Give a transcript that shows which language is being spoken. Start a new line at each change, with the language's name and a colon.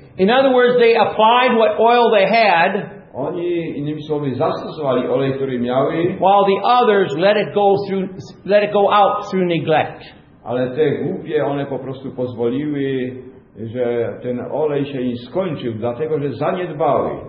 English: In other words, they applied what oil they had.
Polish: Oni, innymi słowy, zastosowali olej, który miały.
English: While the others let it go out through neglect.
Polish: Ale te głupie, one po prostu pozwoliły, że ten olej się im skończył, dlatego że zaniedbały.